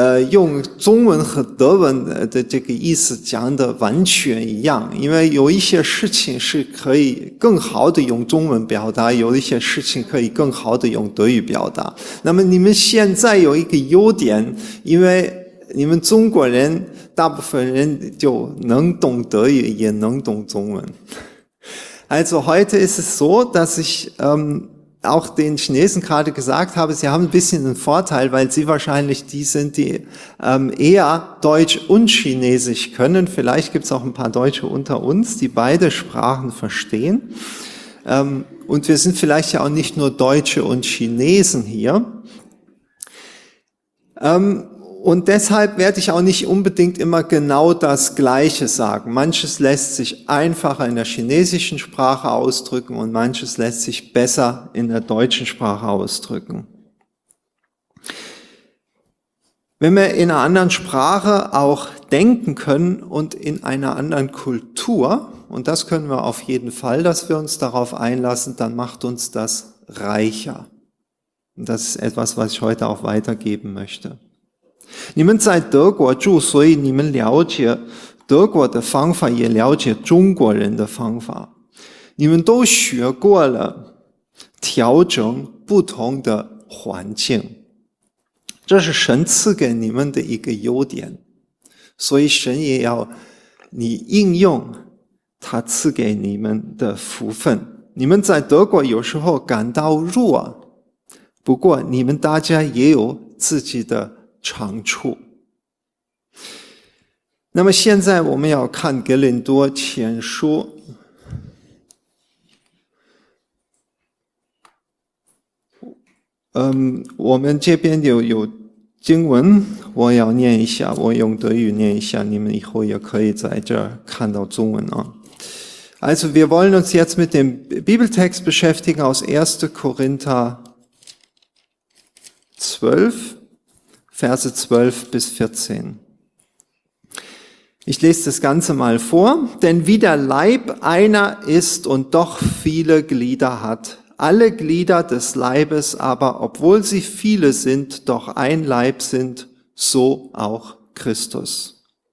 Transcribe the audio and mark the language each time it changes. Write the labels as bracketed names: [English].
[Chinese] 用中文和德文的这个意思讲的完全一样，因为有一些事情是可以更好的用中文表达，有一些事情可以更好的用德语表达。那么你们现在有一个优点，因为你们中国人大部分人就能懂德语，也能懂中文。 [German] Also heute ist es so, dass ich auch den Chinesen gerade gesagt habe, sie haben ein bisschen einen Vorteil, weil sie wahrscheinlich die sind, die eher Deutsch und Chinesisch können. Vielleicht gibt es auch ein paar Deutsche unter uns, die beide Sprachen verstehen. Und wir sind vielleicht ja auch nicht nur Deutsche und Chinesen hier. Und deshalb werde ich auch nicht unbedingt immer genau das Gleiche sagen. Manches lässt sich einfacher in der chinesischen Sprache ausdrücken und manches lässt sich besser in der deutschen Sprache ausdrücken. Wenn wir in einer anderen Sprache auch denken können und in einer anderen Kultur, und das können wir auf jeden Fall, dass wir uns darauf einlassen, dann macht uns das reicher. Und das ist etwas, was ich heute auch weitergeben möchte. [Chinese] 你们在德国住，所以你们了解德国的方法，也了解中国人的方法。你们都学过了调整不同的环境，这是神赐给你们的一个优点，所以神也要你应用他赐给你们的福分。你们在德国有时候感到弱，不过你们大家也有自己的长处。那么现在我们要看格林多前书。我们这边有经文，我要念一下，我用德语念一下，你们以后也可以在这儿看到中文啊。 [German] Also wir wollen uns jetzt mit dem Bibeltext beschäftigen aus 1. Korinther 12. Verse 12 bis 14. Ich lese das Ganze mal vor. Denn wie der Leib einer ist und doch viele Glieder hat, alle Glieder des Leibes aber, obwohl sie viele sind, doch ein Leib sind, so auch Christus.